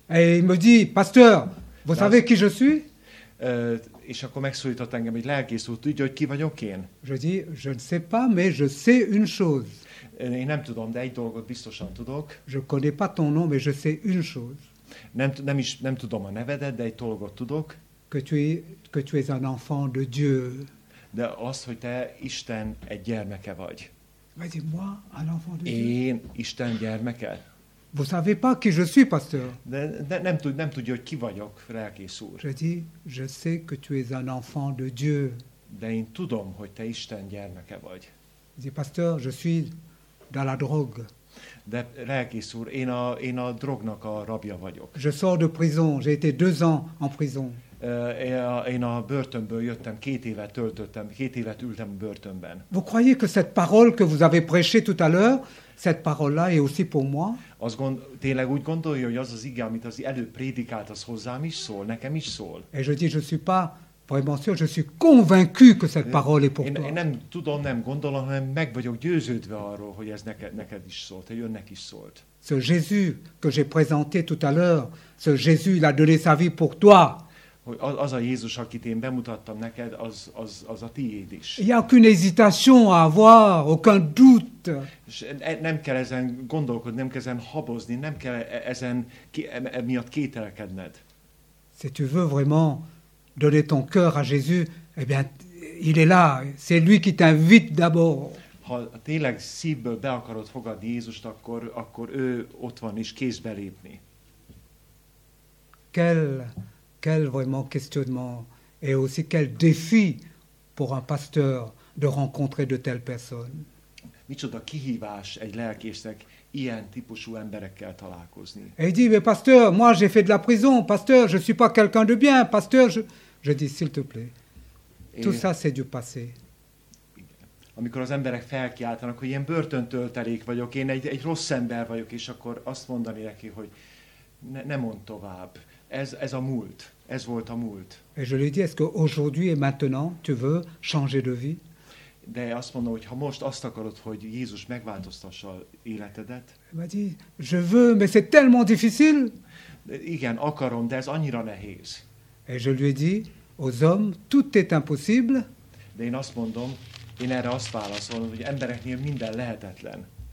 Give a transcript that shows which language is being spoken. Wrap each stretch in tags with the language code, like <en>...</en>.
<fr>Et il me dit, pasteur, vous savez qui je suis?</fr> <hu>És akkor megszólított engem, hogy lelkész úr, tudja, hogy ki vagyok én?</hu> <fr>Je dis, je ne sais pas, mais je sais une chose.</fr> <hu>Én nem tudom, de egy dolgot biztosan tudok.</hu> <fr>Je connais pas ton nom, mais je sais une chose.</fr> <hu>Nem tudom a nevedet, de egy dolgot tudok.</hu> <fr>Que tu es un enfant de Dieu.</fr> <hu>De az, hogy te Isten egy gyermeke vagy.</hu> <fr>Mais dis-moi, un enfant de</fr> <hu>én</hu> <fr>Dieu.</fr> <hu>Isten gyermeke.</hu> <fr>Vous savez pas qui je suis, pasteur.</fr> <hu>Nem tudja, hogy ki vagyok, lelkész úr.</hu> <fr>Je dis, je sais que tu es un enfant de Dieu.</fr> <hu>De én tudom, hogy te Isten gyermeke vagy.</hu> <fr>Dis, pasteur, je suis dans la drogue.</fr> <hu>De lelkész úr, én a drognak a rabja vagyok.</hu> <fr>Je sors de prison, j'ai été 2 ans en prison.</fr> <hu>Én a börtönből jöttem, 2 évet töltöttem, 2 évet ültem a börtönben.</hu> <fr>Vous croyez que cette parole que vous avez prêchée tout à l'heure, cette parole-là est aussi pour moi?</fr> <hu>Tényleg úgy gondolja, hogy az ige, amit az előbb prédikált, az hozzám is szól, nekem is szól.</hu> <fr>Et je dis, je suis pas vraiment sûr, je suis convaincu que cette parole est pour toi.</fr> <hu>Én nem tudom, nem gondolom, hanem meg vagyok győződve arról, hogy ez neked is szólt, hogy önnek is szólt.</hu> <fr>Ce Jésus que j'ai présenté tout à l'heure, ce Jésus, il a donné sa vie pour toi.</fr> <hu>Hogy az a Jézus, akit én bemutattam neked, az a tiéd is.</hu> <fr>Il y a aucune hésitation à avoir, aucun doute.</fr> <hu>Nem kell ezen gondolkodni, nem kell ezen habozni, nem kell ezen miatt kételkedned.</hu> <fr>Si tu veux vraiment donner ton cœur à Jésus, eh bien, il est là, c'est lui qui t'invite d'abord.</fr> <hu>Ha tényleg szívből be akarod fogadni Jézust, akkor ő ott van is kézbe lépni.</hu> <fr>Quel vraiment questionnement et aussi quel défi pour un pasteur de rencontrer de telles personnes.</fr> <hu>Micsoda kihívás egy lelkésznek ilyen típusú emberekkel találkozni.</hu> <fr>Et il dit, mais pasteur, moi j'ai fait de la prison, pasteur, je suis pas quelqu'un de bien, pasteur, je dis, s'il te plaît, tout ça c'est du passé.</fr> <hu>Amikor az emberek felkiáltanak, hogy én börtöntöltelék vagyok, én egy rossz ember vagyok, és akkor azt mondani neki, hogy ne mond tovább. Ez a múlt. Ez volt a múlt.</hu> <fr>Et je lui dis, est-ce qu'aujourd'hui et maintenant tu veux changer de vie?</fr> <hu>De azt mondom, hogy ha most azt akarod, hogy Jézus megváltoztassa életedet.</hu> <fr>Il m'a dit, je veux, mais c'est tellement difficile.</fr> <hu>Igen, akarom, de ez annyira nehéz.</hu> <fr>Et je lui dis, aux hommes, tout est impossible.</fr> <hu>De én azt mondom, én erre azt válaszolom, hogy embereknél minden lehetetlen.</hu>